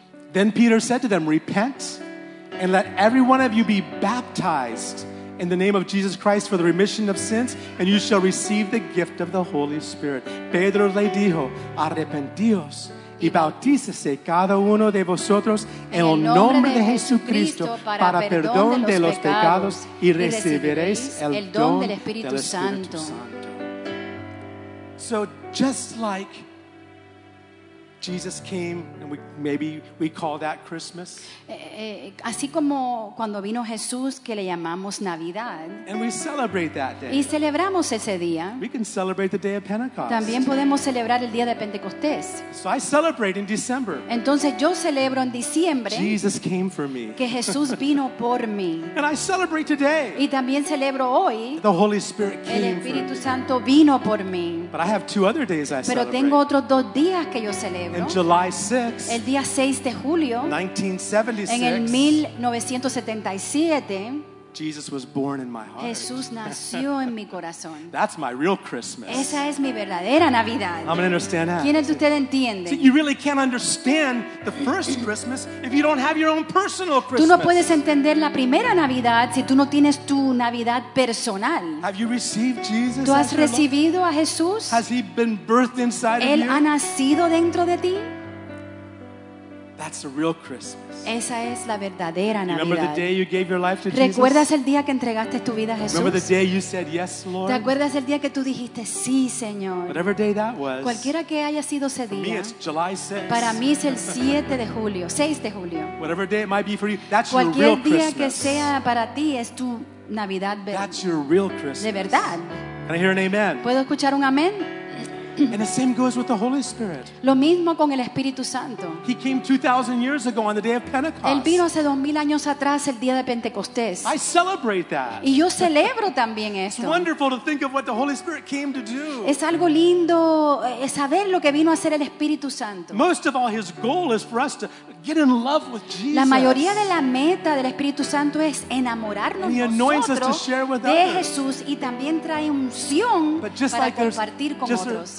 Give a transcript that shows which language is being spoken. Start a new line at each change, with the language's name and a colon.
English: Then Peter said to them, repent and let every one of you be baptized in the name of Jesus Christ for the remission of sins, and you shall receive the gift of the Holy Spirit.
Spanish: Pedro le dijo, arrepentíos y bautícese cada uno de vosotros en el nombre de Jesucristo para perdón de los pecados y recibiréis el don del Espíritu Santo.
English: So just like Jesus came, and maybe we call that Christmas.
Spanish: Así como cuando vino Jesús, que le llamamos Navidad.
English: And we celebrate that day.
Spanish: Y celebramos ese día.
English: We can celebrate the day of Pentecost.
Spanish: También podemos celebrar el día de Pentecostés.
English: So I celebrate in December.
Spanish: Entonces yo celebro en diciembre.
English: Jesus came for me.
Spanish: Que Jesús vino por mí.
English: And I celebrate today.
Spanish: Y también celebro hoy.
English: The Holy Spirit came for me.
Spanish: El Espíritu Santo vino por mí.
English: But I have two other days I celebrate.
Spanish: Pero tengo otros dos días que yo celebro.
English: In July 6th,
Spanish: el día 6 de julio,
English: 1976,
Spanish: en el 1977,
English: Jesus was born in my heart.
Spanish: Jesús nació en mi corazón.
English: That's my real Christmas.
Spanish: Esa es mi verdadera Navidad.
English: I'm gonna understand that.
Spanish: ¿Quiénes de ustedes entienden?
English: So you really can't understand the first Christmas if you don't have your own personal Christmas.
Spanish: Tú no puedes entender la primera Navidad si tú no tienes tu Navidad personal.
English: Have you received Jesus?
Spanish: ¿Tú has recibido a Jesús?
English: Has he been birthed inside
Spanish: ¿Él
English: of you?
Spanish: ¿Ha nacido dentro de ti?
English: That's the real Christmas.
Spanish: Esa es la verdadera Navidad.
English: Remember the day you gave your life to Jesus?
Spanish: ¿Recuerdas el día que entregaste tu vida a Jesús?
English: Remember the day you said yes, Lord?
Spanish: ¿Te acuerdas el día que tú dijiste sí, Señor?
English: Whatever day that was.
Spanish: Cualquiera que haya sido ese día.
English: For me, it's July 6th.
Spanish: Para mí es el 7 de julio, 6 de julio.
English: Whatever day it might be for you, that's your real
Spanish: Christmas. Cualquier día que sea para ti es tu Navidad verdadera.
English: That's your real Christmas.
Spanish: De verdad.
English: Can I hear an amen?
Spanish: ¿Puedo escuchar un amén?
English: And the same goes with the Holy Spirit.
Spanish: Lo mismo con el Espíritu Santo.
English: He came 2,000 years ago on the day of Pentecost.
Spanish: Él vino hace 2,000 años atrás el día de Pentecostés.
English: I celebrate that.
Spanish: Y yo celebro también esto.
English: It's wonderful to think of what the Holy Spirit came to do.
Spanish: Es algo lindo saber lo que vino a hacer el Espíritu Santo.
English: Most of all, his goal is for us to get in love with Jesus.
Spanish: La mayoría de la meta del Espíritu Santo es enamorarnos nosotros de Jesús y también trae unción para compartir con otros.